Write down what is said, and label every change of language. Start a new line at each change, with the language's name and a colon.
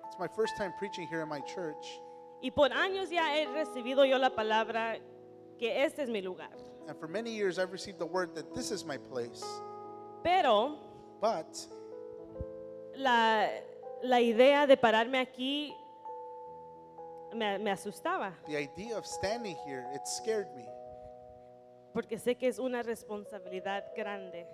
English: It's my first time preaching here in my church.
Spanish: Y por años ya he recibido yo la palabra que este es mi lugar.
English: And for many years, I've received the word that this is my place.
Spanish: Pero,
English: but
Spanish: la idea de pararme aquí me asustaba.
English: The idea of standing here, it scared me.
Spanish: Porque sé que es una responsabilidad grande.